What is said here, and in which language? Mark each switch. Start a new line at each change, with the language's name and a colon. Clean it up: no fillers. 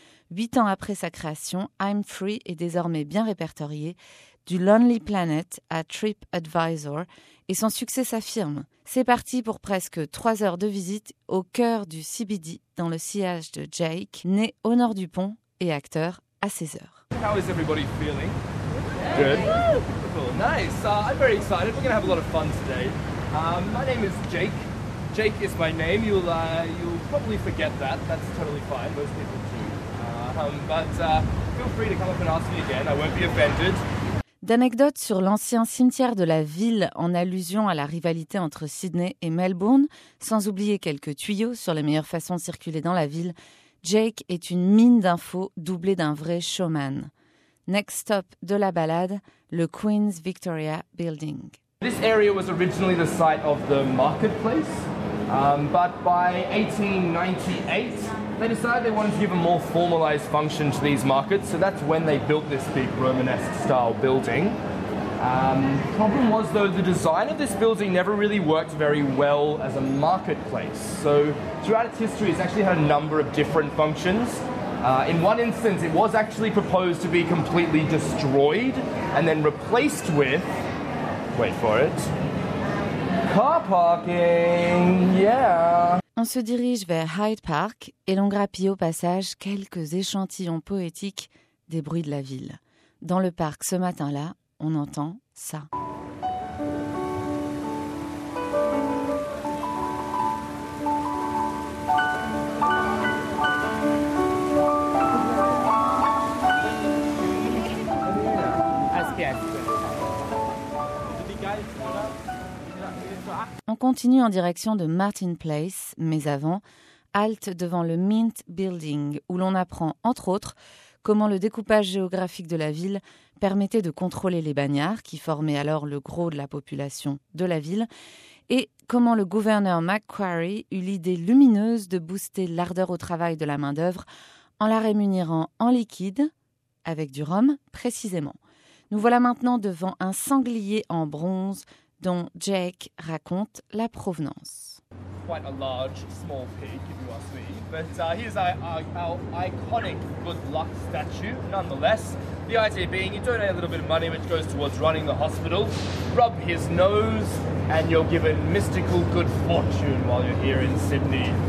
French: 8 ans après sa création, I'm Free est désormais bien répertorié, du Lonely Planet à Trip Advisor, et son succès s'affirme. C'est parti pour presque 3 heures de visite au cœur du CBD, dans le sillage de Jake, né au nord du pont et acteur à 16 heures.
English: How is everybody feeling? Good. Cool. Nice. I'm very excited. We're going to have a lot of fun today. My name is Jake. Jake is my name. You'll probably forget that. That's totally fine. Most people do. Feel free to come up and ask me again. I won't be offended.
French: D'anecdotes sur l'ancien cimetière de la ville en allusion à la rivalité entre Sydney et Melbourne, sans oublier quelques tuyaux sur les meilleures façons de circuler dans la ville, Jake est une mine d'infos doublée d'un vrai showman.
English: Next stop
French: de la balade, le Queen's Victoria Building.
English: This area was originally the site of the marketplace, but by 1898, they decided they wanted to give a more formalized function to these markets, so that's when they built this big Romanesque-style building. Problem was, though, the design of this building never really worked very well as a marketplace. So throughout its history, it's actually had a number of different functions. In one instance, it was actually proposed to be completely destroyed and then replaced with, wait for it, car parking, yeah.
French: On se dirige vers Hyde Park et l'on grappille au passage quelques échantillons poétiques des bruits de la ville. Dans le parc ce matin-là, on entend ça. On continue en direction de Martin Place, mais avant, halte devant le Mint Building, où l'on apprend, entre autres, comment le découpage géographique de la ville permettait de contrôler les bagnards, qui formaient alors le gros de la population de la ville, et comment le gouverneur Macquarie eut l'idée lumineuse de booster l'ardeur au travail de la main-d'œuvre en la rémunérant en liquide, avec du rhum précisément. Nous voilà maintenant devant un sanglier en bronze, dont Jake raconte la provenance.
English: quite a large, small pig, if you ask me. But here's our iconic good luck statue, nonetheless. The idea being you donate a little bit of money, which goes towards running the hospital, rub his nose, and you're given mystical good fortune while you're here in Sydney.